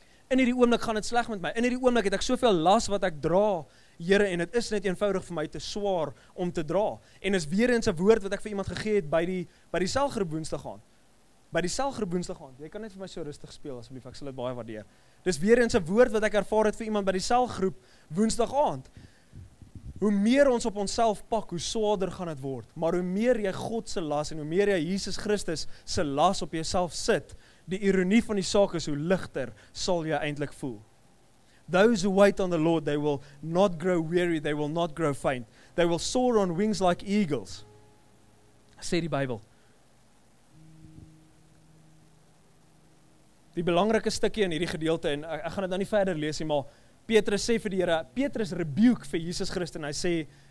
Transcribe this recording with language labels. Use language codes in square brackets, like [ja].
[af] In hierdie oomblik gaan dit sleg met my. In hierdie oomblik het ek soveel las wat ek dra, Here, en dit is net eenvoudig vir my te swaar om te dra. En dis weer eens 'n woord wat ek vir iemand gegee het by die selgroep Woensdag aand. By die selgroep Woensdag aand. Jy kan net vir my so rustig speel asseblief, ek sal dit baie waardeer. Dis weer eens 'n woord wat ek ervaar het vir iemand by die selgroep Woensdag aand. Hoe meer ons op onsself pak, hoe swaarder gaan het word. Maar hoe meer jy God se las en hoe meer jy Jesus Christus se las op jouself sit, die ironie van die saak is, hoe ligter sal jy eintlik voel. [en] Those who wait on the Lord, they will not grow weary, they will not grow faint. They will soar on wings like eagles, [af] sê die Bybel. Die belangrike stukkie in hierdie gedeelte, en ek gaan dit nou nie verder lees nie, maar Petrus sê vir die Here, Petrus rebuke vir Jesus Christus, en hy sê,